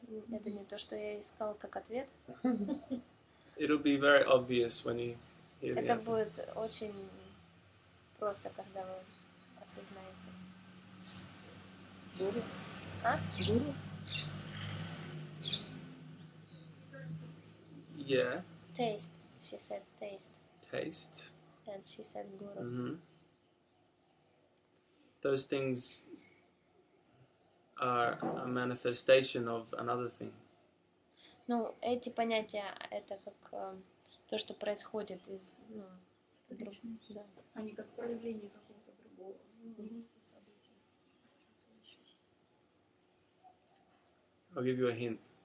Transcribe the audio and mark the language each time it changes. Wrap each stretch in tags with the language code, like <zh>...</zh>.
<ru>Это не то, что я искал как ответ.</ru> <en>It'll be very obvious when you hear the answer.</en> <ru>Это будет очень просто, когда вы осознаете.</ru> <en>Guru? Yeah. Taste. She said taste. Taste. And she said guru. Mm-hmm. Those things are a manifestation of another thing.</en> <ru>Ну, эти понятия это как то, что происходит из, ну, вдруг, да. Они как проявление какого-то другого. Mm-hmm.</ru> <en>I'll give you a hint.</en>